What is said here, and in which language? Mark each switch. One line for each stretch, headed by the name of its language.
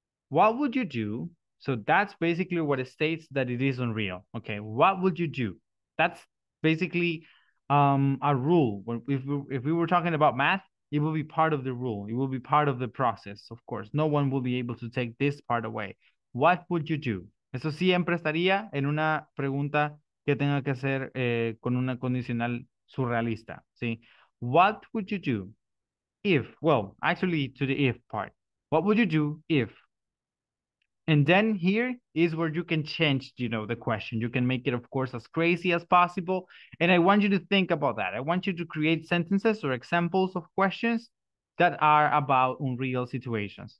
English: What would you do? So that's basically what it states that it is unreal. Okay, what would you do? That's basically a rule. If we were talking about math, it will be part of the rule. It will be part of the process, of course. No one will be able to take this part away. What would you do?
Spanish: Eso siempre estaría en una pregunta que tenga que hacer con una condicional surrealista, ¿sí?
English: What would you do if, well, actually to the if part. What would you do if? And then here is where you can change, you know, the question. You can make it, of course, as crazy as possible. And I want you to think about that. I want you to create sentences or examples of questions that are about unreal situations.